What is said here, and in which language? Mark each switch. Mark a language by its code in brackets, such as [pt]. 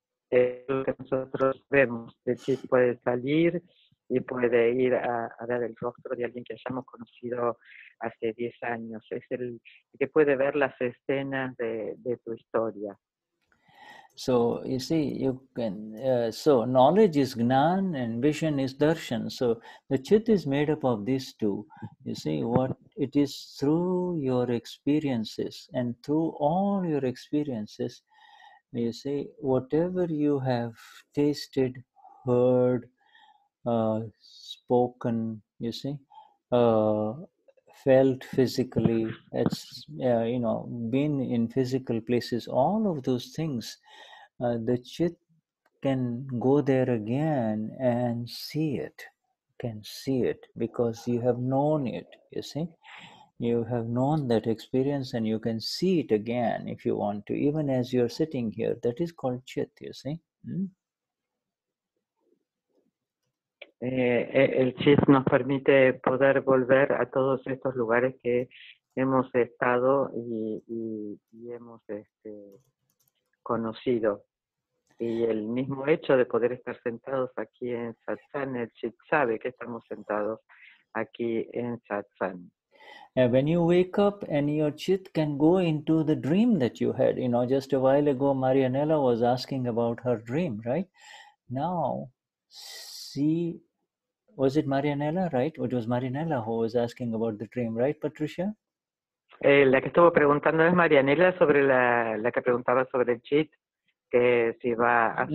[es] Nosotros vemos, el chit puede salir y puede ir a ver el rostro de alguien que hayamos conocido hace 10 años. Es el que puede ver las escenas de tu historia. [en] So, you see, you can, so knowledge is gnan and vision is darshan. So, the chit is made up of these two. You see, what it is through your experiences and through all your experiences, you see, whatever you have tasted, heard, spoken, you see, felt physically, it's, you know, been in physical places, all of those things, the chit can go there again and see it, can see it, because you have known it, you see. You have known that experience and you can see it again if you want to, even as you're sitting here. That is called chit, you see. [es] El chit nos permite poder volver a todos estos lugares que hemos estado y hemos conocido. Y el mismo hecho de poder estar sentados aquí en Satsang, el chit sabe que estamos sentados aquí en Satsang. [en] When you wake up and your chit can go into the dream that you had, you know, just a while ago, Marianella was asking about her dream, right? Now, see, was it Marianella, right? It was Marianella who was asking about the dream, right, Patricia? [es] La que estuvo preguntando es Marianella sobre la que preguntaba sobre el chit, que si va a su